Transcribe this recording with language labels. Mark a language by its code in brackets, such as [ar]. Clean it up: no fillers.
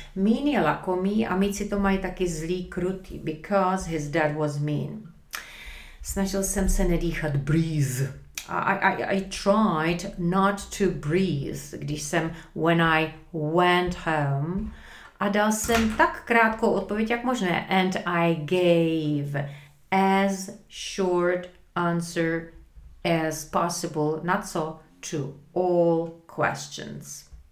[cs] Mean je lakomý a míci to mají taky zlý, krutý. [en] Because his dad was mean. [cs] Snažil jsem se nedýchat, [en] breathe. I tried not to breathe, [cs] když jsem, [en] when I went home. [cs] A dal jsem tak krátkou odpověď, jak možné. [en] And I gave as short answer as possible, not so, to all questions.